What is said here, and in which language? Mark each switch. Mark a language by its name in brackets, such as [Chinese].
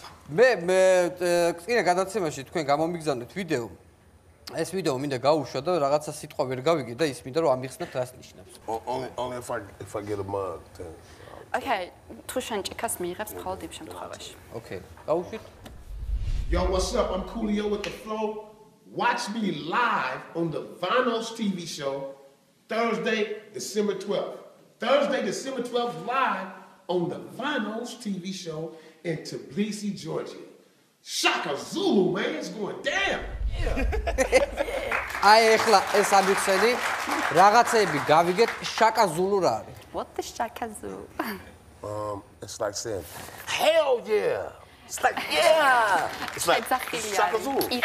[English] Me, in a [Georgian] გადაცემაში თქვენ გამომიგზავნეთ ვიდეო. Ეს ვიდეო მინდა გაუშვა და რაღაცა სიტყვა ვერ გავიგე და ის მინდა რომ ამიხსნათ რას ნიშნავს. [English] Only if I get a mug. [Georgian] Okay, თუ შენ ჭიქას მიიღებს მხოლოდ იმ შემთხვევაში. Okay, გაუშვით. [English] Yo, what's up? I'm Coolio with the flow. Watch me live on the Vanos TV show Thursday, December 12th. Thursday, December 12th live on the Vanos TV show in Tbilisi, Georgia. Shaka Zulu, man, it's going down. [Georgian] აი ახლა ეს ამიხსენი რაღაცები გავიგეთ შაკა ზულუ რა არის [English] What the shaka zulu it's like saying hell yeah it's like yeah it's like shaka zulu